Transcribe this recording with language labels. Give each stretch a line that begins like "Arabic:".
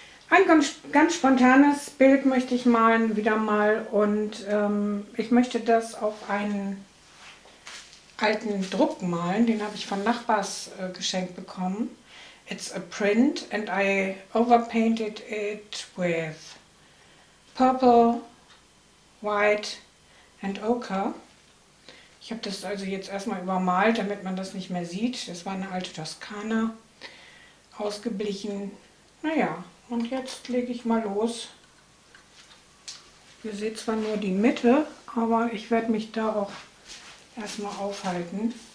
German: Ein ganz spontanes Bild möchte ich malen, wieder mal. Und ich möchte das auf einen alten Druck malen. Den habe ich von Nachbars geschenkt bekommen.
English: It's a print and I overpainted it with purple, white and ochre.
German: Ich habe das also jetzt erstmal übermalt, damit man das nicht mehr sieht. Das war eine alte Toskana. Ausgeblichen. Naja, und jetzt lege ich mal los. Ihr seht zwar nur die Mitte, aber ich werde mich da auch erstmal aufhalten.